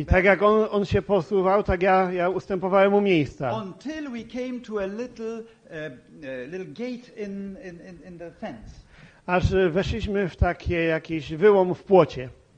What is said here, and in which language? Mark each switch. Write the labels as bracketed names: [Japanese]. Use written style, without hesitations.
[Polish] I tak jak on się posuwał, tak ja ustępowałem mu miejsca. [English] Until we came to a little gate in the fence. [Polish] Aż weszliśmy w takie jakiś wyłom w płocie.